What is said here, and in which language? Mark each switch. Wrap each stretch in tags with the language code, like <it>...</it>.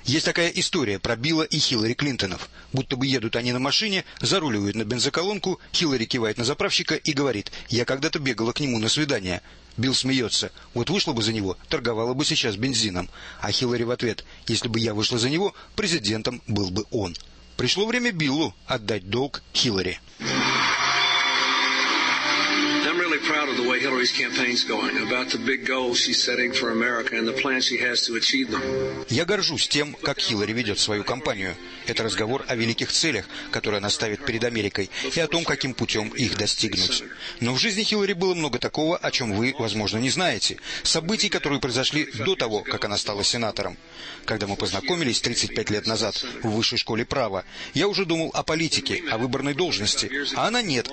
<ru>Есть такая история про Билла и Хиллари Клинтонов. Будто бы едут они на машине, заруливают на бензоколонку, Хиллари кивает на заправщика и говорит: «Я когда-то бегала к нему на свидание». Билл смеется: «Вот вышла бы за него, торговала бы сейчас бензином». А Хиллари в ответ: «Если бы я вышла за него, президентом был бы он». Пришло время Биллу отдать долг Хиллари.</ru> <en>Proud of the way Hillary's campaign's going, about the big goals she's setting for America and the plans she has to achieve them.</en> <ru>Я горжусь тем, как Хиллари ведет свою кампанию. Это разговор о великих целях, которые она ставит перед Америкой, и о том, каким путем их достигнуть. Но в жизни Хиллари было много такого, о чем вы, возможно, не знаете. Событий, которые произошли до того, как она стала сенатором. Когда мы познакомились 35 лет назад в высшей школе права, я уже думал о политике, о выборной должности. А она нет.</ru>